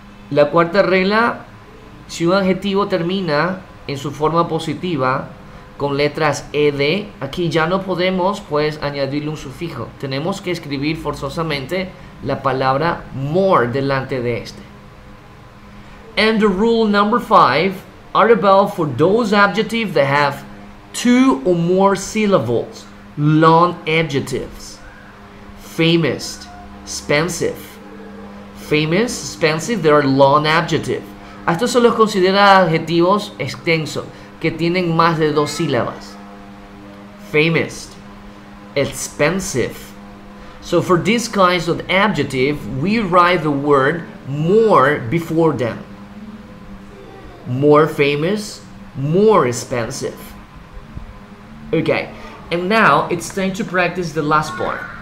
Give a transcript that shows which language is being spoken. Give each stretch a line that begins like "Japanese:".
Spanish: La cuarta regla, si un adjetivo termina en su forma positiva con letras ED, aquí ya no podemos pues añadirle un sufijo. Tenemos que escribir forzosamente la palabra more delante de este.
English: And the rule number five are about for those adjectives that have two or more syllables, long adjectives. Famous, expensive. Famous, expensive, they are long adjectives.
Spanish: A estos se los considera adjetivos extensos, que tienen más de dos sílabas.
English: Famous, expensive. So for these kinds of adjective, we write the word more before them. More famous, more expensive. Okay, and now it's time to practice the last part.